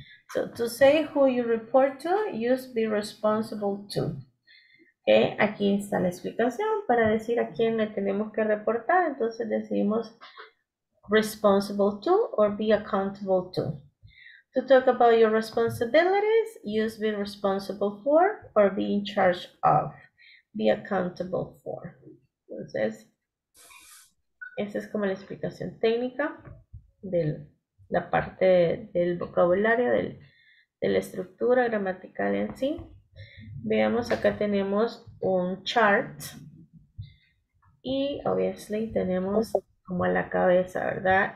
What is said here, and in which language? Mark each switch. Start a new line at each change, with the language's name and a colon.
English: So, to say who you report to, use be responsible to.
Spanish: Ok, aquí está la explicación para decir a quién le tenemos que reportar, entonces decidimos
English: responsible to or be accountable to. To talk about your responsibilities, use be responsible for or be in charge of, be accountable for.
Spanish: Entonces, esa es como la explicación técnica de la parte del vocabulario, de la estructura gramatical en sí. Veamos, acá tenemos un chart y obviously tenemos como a la cabeza, ¿verdad?